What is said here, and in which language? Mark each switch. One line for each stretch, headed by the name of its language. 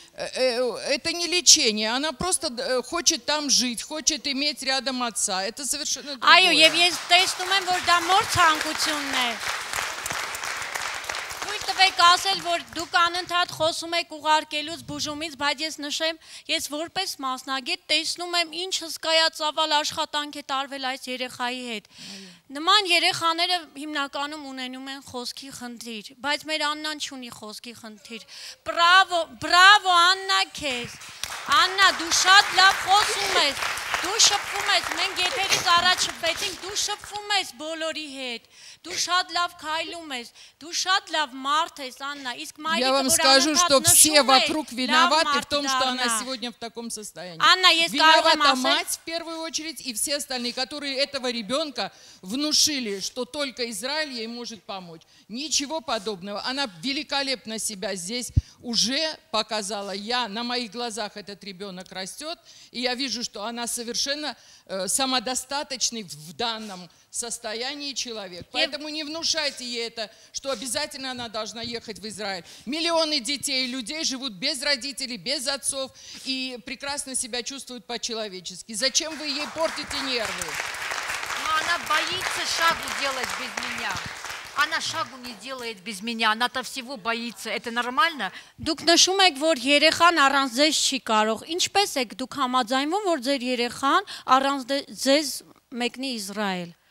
Russian: Это не лечение, она просто хочет там жить, хочет иметь рядом отца. Это совершенно другое.
Armenian: Айо, я тесту мэм, что там морд ханкутюнне. Եկ ասել, որ դուք անընդհատ խոսում եք ուղարկելուց, բուժումից, բայց ես նշեմ, ես որպես մասնագետ տեսնում եմ, ինչ հսկայածավալ աշխատանք է տարվել այս երեխայի հետ։ Նման երեխաները հիմնականում ունենում են խոսքի խնդիր, բայց մեր Աննան չունի խոսքի խնդիր։ Բրավո, բրավո Աննա քեզ։ Աննա, դու շատ լավ խոսում ես, դու շփվում ես, մենք եթերից առաջ շփվեցինք, դու շփվում ես բոլորի հետ, դու շատ լավ քայլում ես, դու շատ լավ մարդ ես, Աննա, իսկ մայրիկը որ անընդհատ նշում է,
Russian: все вокруг виноваты в том, что она сегодня в таком состоянии.
Armenian: Աննա, ես կարող եմ ասել,
Russian: виновата мать в первую очередь и все остальные, которые этого ребенка внушили, что только Израиль ей может помочь. Ничего подобного. Она великолепно себя здесь уже показала. Я на моих глазах этот ребенок растет, и я вижу, что она совершенно самодостаточный в данном состоянии человек. Поэтому не внушайте ей это, что обязательно она должна ехать в Израиль. Миллионы детей и людей живут без родителей, без отцов и прекрасно себя чувствуют по-человечески. Зачем вы ей портите нервы? Она боится шагу делать без меня. Она шагу не делает без меня. Она-то всего боится. Это нормально?
Armenian: Դուք նշում եք, որ երեխան առանց ձեզ չի կարող. Ինչպես եք դուք համաձայնվում, որ ձեր երեխան առանց ձեզ մեկնի Իզրայել?